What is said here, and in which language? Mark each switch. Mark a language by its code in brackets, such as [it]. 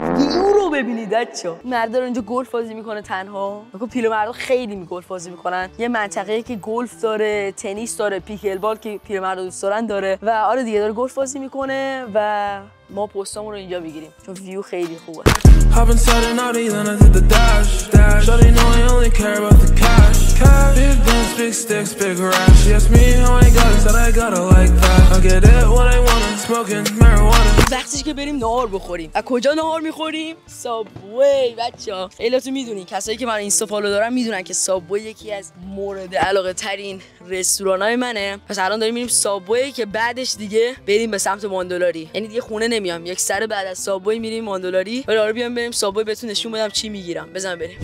[fa] ویو رو ببینید بچا. مردا اینجا گلف بازی میکنه تنها. بگو پیرمردا خیلی گلف بازی میکنن. یه منطقه که گلف داره، تنیس داره، پیکل بال که پیرمردا دوست دارن داره و آره دیگه داره گلف بازی میکنه. و ما پستامون رو اینجا میگیریم چون ویو خیلی خوبه. [en] Hoppin' sudden out of Elon, I did the dash, dash. Shorty know I only care about the cash, cash. Big guns, big sticks, big racks. She asked me how I got it, said I got it like that. I get it what I wanna, smoking marijuana. [fa] وقتیش که بریم نهار بخوریم. از کجا نهار میخوریم؟ سابوی بچه ها. خیلی تو میدونی، کسایی که من اینستا فالو دارن میدونن که سابوی یکی از مورد علاقه ترین رستوران های منه. پس الان داریم میریم سابوی که بعدش دیگه بریم به سمت وان دلاری. یعنی دیگه خونه نمیام، یک سر بعد از سابوی میریم وان دلاری. ولی آره بیام بریم سابوی بهتون نشون بدم چی میگیرم. بزن بریم.